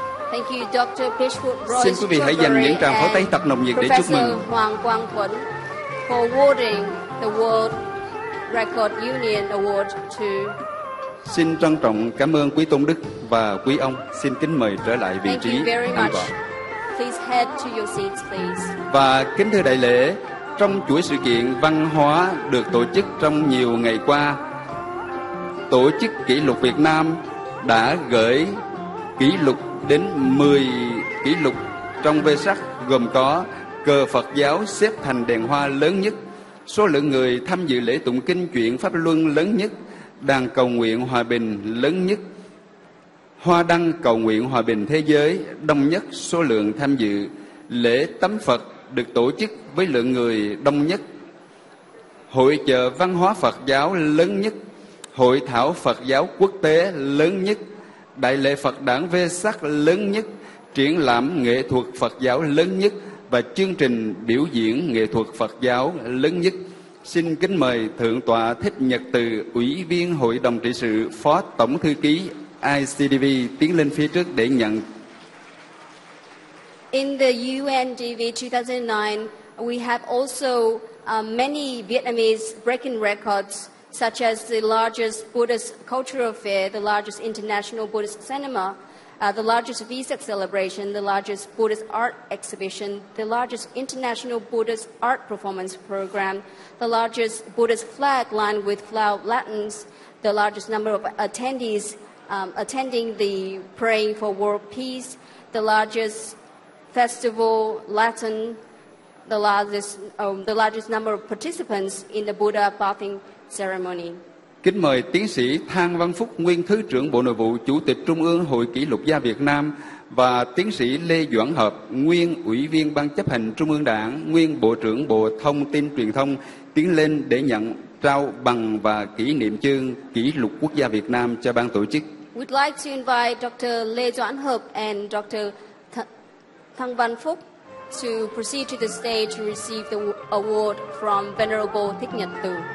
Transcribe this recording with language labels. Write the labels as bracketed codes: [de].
[en] Thank you, Dr. Biswarup Roy. [vi] Xin quý vị hãy dành những tràng pháo tay thật nồng nhiệt [en] Professor [vi] để chúc mừng [en] Hoàng Quang Thuận for awarding the World Record Union Award to. [vi] Xin trân trọng cảm ơn quý tôn đức và quý ông, xin kính mời trở lại vị trí an toàn. [en] Please head to your seats, please. [vi] Và kính thưa đại lễ, trong chuỗi sự kiện văn hóa được tổ chức trong nhiều ngày qua, Tổ chức Kỷ lục Việt Nam đã gửi kỷ lục đến 10 kỷ lục trong Vesak, gồm có cờ Phật giáo xếp thành đèn hoa lớn nhất, số lượng người tham dự lễ tụng kinh chuyển Pháp Luân lớn nhất, đàn cầu nguyện hòa bình lớn nhất, hoa đăng cầu nguyện hòa bình thế giới đông nhất, số lượng tham dự lễ tắm Phật được tổ chức với lượng người đông nhất, hội chợ văn hóa Phật giáo lớn nhất, hội thảo Phật giáo quốc tế lớn nhất, đại lễ Phật đản Vesak lớn nhất, triển lãm nghệ thuật Phật giáo lớn nhất và chương trình biểu diễn nghệ thuật Phật giáo lớn nhất. Xin kính mời Thượng tọa Thích Nhật Từ, Ủy viên Hội đồng Trị sự, Phó Tổng Thư ký ICDV tiến lên phía trước để nhận. [en] In the UNDV 2009, we have also many Vietnamese breaking records, such as the largest Buddhist cultural fair, the largest international Buddhist cinema, the largest Vesak celebration, the largest Buddhist art exhibition, the largest international Buddhist art performance program, the largest Buddhist flag lined with flower lanterns, the largest number of attendees attending the Praying for World Peace, the largest festival Latin, the largest number of participants in the Buddha bathing ceremony. [vi] Kính mời tiến sĩ Thang Văn Phúc, nguyên Thứ trưởng Bộ Nội vụ, Chủ tịch Trung ương Hội Kỷ lục gia Việt Nam và tiến sĩ Lê Doãn Hợp, nguyên Ủy viên Ban Chấp hành Trung ương Đảng, nguyên Bộ trưởng Bộ Thông tin Truyền thông tiến lên để nhận trao bằng và kỷ niệm chương Kỷ lục quốc gia Việt Nam cho ban tổ chức. [en] We'd like to invite Dr. Lê Doãn Hợp and Dr. Thang Văn Phúc to proceed to the stage to receive the award from Venerable Thích Nhật Từ.